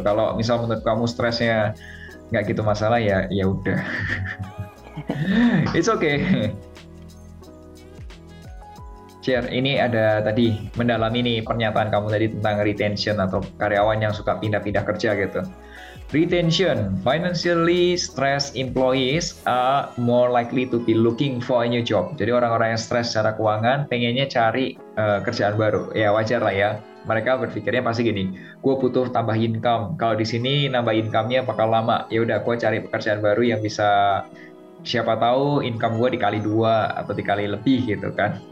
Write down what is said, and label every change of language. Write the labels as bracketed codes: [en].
[id] Kalau misal menurut kamu stresnya gak gitu masalah, ya ya udah. [en] It's okay. [id] Cier, ini ada tadi mendalam ini pernyataan kamu tadi tentang retention atau karyawan yang suka pindah-pindah kerja gitu. [en] Retention, financially stressed employees are more likely to be looking for a new job. [id] Jadi orang-orang yang stres secara keuangan pengennya cari kerjaan baru. Ya wajar lah ya. Mereka berpikirnya pasti gini, gue butuh tambah income. Kalau di sini nambah income-nya bakal lama. Ya udah, gue cari pekerjaan baru yang bisa, siapa tahu income gue dikali 2 atau dikali lebih gitu kan.